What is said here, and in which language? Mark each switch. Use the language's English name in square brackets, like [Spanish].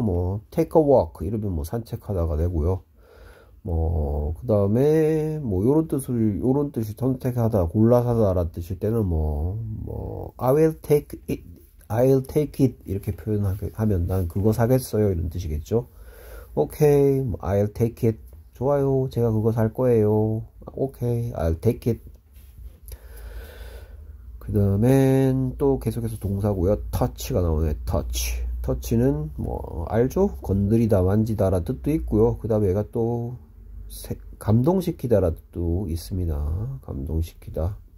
[English] 뭐, take a walk. [Korean] 이러면 뭐, 산책하다가 되고요. 뭐, 그 다음에, 뭐, 요런 뜻이 선택하다, 골라서다라는 뜻일 때는 뭐, [English] I'll take it. [Korean] 이렇게 표현하면 난 그거 사겠어요. 이런 뜻이겠죠. [English] 오케이, 뭐, I'll take it. [Korean] 좋아요. 제가 그거 살 거예요. [English] 오케이, I'll take it. [Korean] 그 다음엔 또 계속해서 동사고요. touch가 나오네. touch. touch는 뭐, 알죠? 건드리다, 만지다라는 뜻도 있고요. 그 다음에 얘가 또, 감동시키다라는 뜻도 있습니다. 감동시키다.